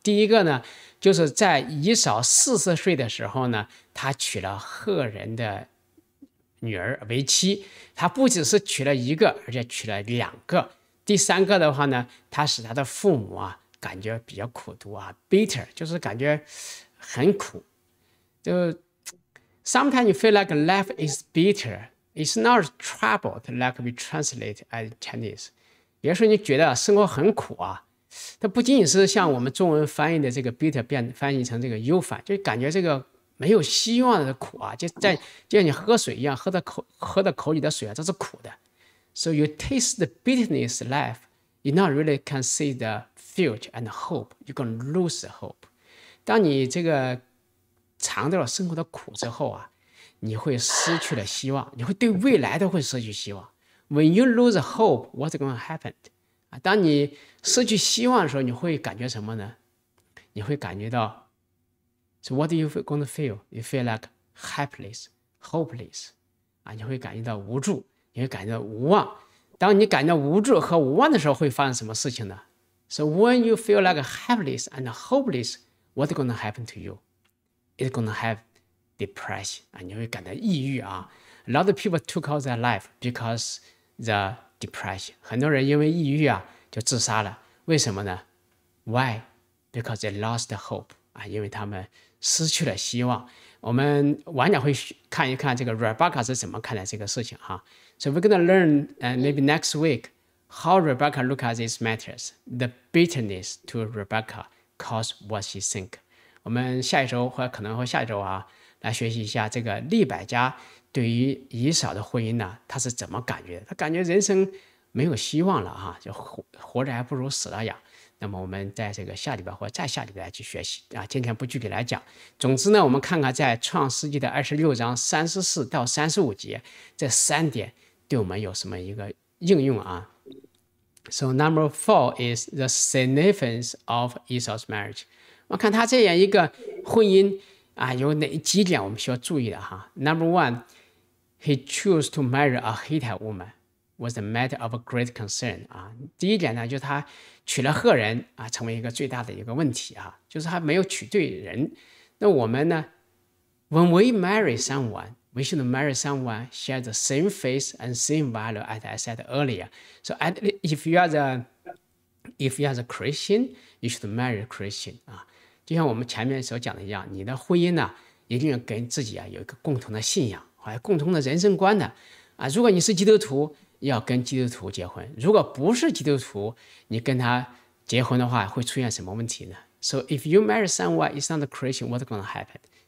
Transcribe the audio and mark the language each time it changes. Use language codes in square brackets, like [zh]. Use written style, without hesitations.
[zh] 第一个呢，就是在以扫40岁的时候呢，他娶了赫人的女儿为妻，他不只是娶了一个，而且娶了两个。第三个的话呢，他使他的父母啊感觉比较苦读啊 ，bitter 就是感觉很苦。 [en] 就 sometimes you feel like life is bitter. It's not troubled like we translate as Chinese. [zh] 别说你觉得生活很苦啊，它不仅仅是像我们中文翻译的这个 bitter 变翻译成这个忧烦，就感觉这个没有希望的苦啊，就像你喝水一样，喝的口里的水啊，这是苦的。 [en] So you taste the bitterness life, you not really can see the future and hope. You can lose hope. [zh] 当你这个尝到了生活的苦之后啊，你会失去了希望，你会对未来都会失去希望。 [en] When you lose hope, what's going to happen? [zh] 当你失去希望的时候，你会感觉什么呢？你会感觉到 [en] ，So what are you going to feel? You feel like helpless, hopeless. [zh] 你会感觉到无助，你会感觉到无望。当你感觉到无助和无望的时候，会发生什么事情呢 [en] ？So when you feel like helpless and hopeless, what's going to happen to you? It's going to have depression. [zh] 你会感到抑郁啊。 [en] A lot of people took out their life because the depression. [zh] 很多人因为抑郁啊就自杀了。为什么呢 [en] ？Why? Because they lost hope. [zh] 因为他们失去了希望。我们晚点会看一看这个 Rebecca 是怎么看待这个事情哈。 [en] So we're gonna learn, maybe next week, how Rebecca look at these matters. The bitterness to Rebecca caused what she think. [zh] 我们下一周或可能会下一周啊，来学习一下这个利百加。对于以扫的婚姻呢，他是怎么感觉的？他感觉人生没有希望了啊，就活着还不如死了呀。那么我们在这个下礼拜或者再下礼拜去学习啊，今天不具体来讲。总之呢，我们看看在创世纪的26章34到35节这三点对我们有什么一个应用啊 ？ [en] So number four is the significance of Esau's marriage。 [zh] 我看他这样一个婚姻啊，有哪几点我们需要注意的哈 ？ [en] Number one。 He chose to marry a Hittite woman was a matter of great concern. [zh] 第一点呢，就是他娶了赫人啊，成为一个最大的一个问题啊，就是他没有娶对人。那我们呢 [en] ，When we marry someone, we should marry someone share the same faith and same value as I said earlier. So, if you are the Christian, you should marry a Christian. [zh] 就像我们前面所讲的一样，你的婚姻呢，一定要跟自己啊有一个共同的信仰。共同的人生观的啊，如果你是基督徒，要跟基督徒结婚；如果不是基督徒，你跟他结婚的话，会出现什么问题呢 ？ [en] So if you marry someone is not a Christian, what's going to happen?